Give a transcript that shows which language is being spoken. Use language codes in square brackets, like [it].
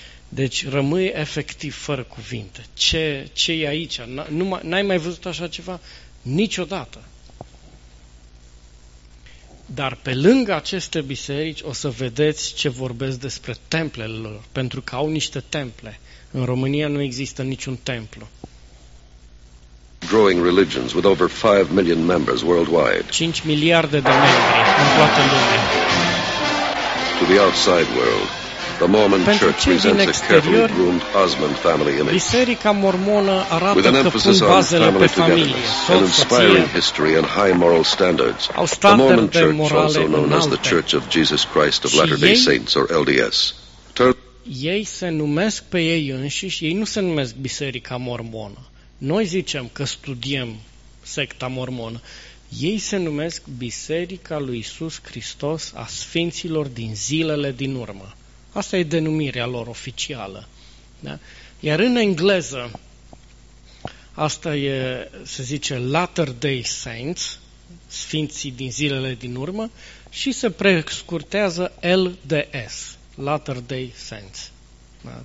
[ro] Deci rămâi efectiv fără cuvinte. Ce e aici? N-ai mai văzut așa ceva? Niciodată. Dar pe lângă aceste biserici o să vedeți ce vorbesc despre templele lor, pentru că au niște temple. În România nu există niciun templu. [en] Growing religions with over 5 million members worldwide. [ro] 5 miliarde de membri în toată lumea. [en] To the outside world, the Mormon Church presents a carefully groomed Osmond family image. [ro] Biserica mormonă arată că pun bazele pe familie, [en] an inspiring history and high moral standards. The Mormon Church, also known as the Church of Jesus Christ of Latter-day Saints or LDS. [ro] Ei se numesc pe ei înșiși, ei nu se numesc Biserica Mormonă. Noi zicem că studiem secta mormonă. Ei se numesc Biserica lui Iisus Hristos a Sfinților din zilele din urmă. Asta e denumirea lor oficială. Da? Iar în engleză, asta e, se zice, Latter-day Saints, sfinții din zilele din urmă, și se prescurtează LDS, Latter-day Saints. Da?